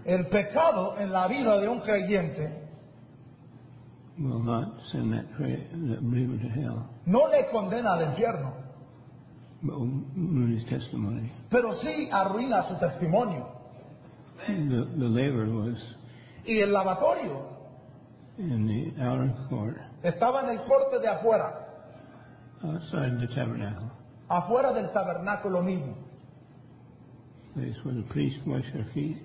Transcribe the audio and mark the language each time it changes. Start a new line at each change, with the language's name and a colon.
Spanish: El pecado en la vida de un creyente.
English: Will not send that believer to hell.
Spanish: No le condena al infierno.
English: But will ruin his testimony.
Spanish: Pero sí arruina su testimonio.
English: The labor was.
Spanish: Y el lavatorio.
English: In the outer court.
Spanish: Estaba en el corte de afuera.
English: Outside the tabernacle.
Spanish: Afuera del tabernáculo mismo.
English: Place where the priests washed their feet.